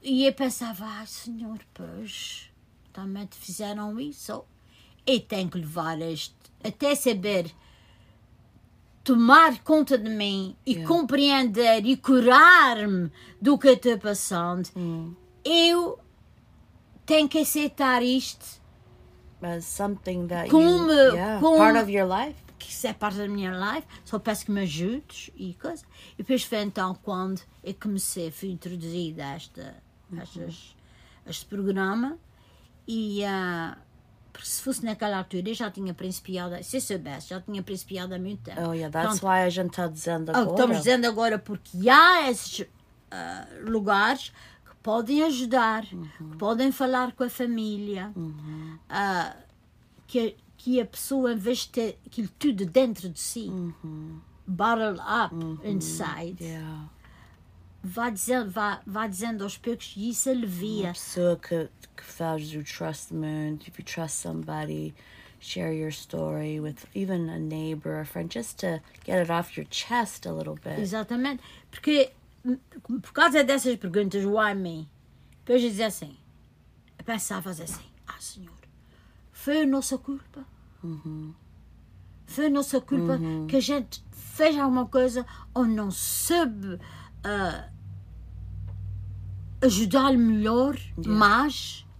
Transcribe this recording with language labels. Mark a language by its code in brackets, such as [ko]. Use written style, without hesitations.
[pt] E eu pensava, ah, Senhor, pois, também te fizeram isso. Eu tenho que levar isto até saber tomar conta de mim e compreender e curar-me do que estou passando. Eu tenho que aceitar isto. [en] As something that como, you, yeah, como, part of your life. [pt] Que isso é parte da minha life. Só peço que me ajudes e coisa. E depois foi então quando eu comecei, fui introduzida a este programa. E porque se fosse naquela altura, eu já tinha principiado, se eu soubesse, já tinha principiado há muito tempo. [en] Oh yeah, that's why [pt] a gente está dizendo agora. Estamos dizendo agora porque há esses lugares podem ajudar, podem falar com a família, que a pessoa, em vez de ter aquilo tudo dentro de si, bottle up inside, vá dizendo aos poucos, e isso alivia. Uma pessoa que faz o [en] trust moment, if you trust somebody, share your story with even a neighbor, a friend, just to get it off your chest a little bit. [pt] Exatamente, porque por causa dessas perguntas, [en] why me? [pt] Depois eu dizia assim, eu pensava assim, ah, Senhor, foi a nossa culpa. Foi a nossa culpa que a gente fez alguma coisa ou não soube ajudar melhor, mas...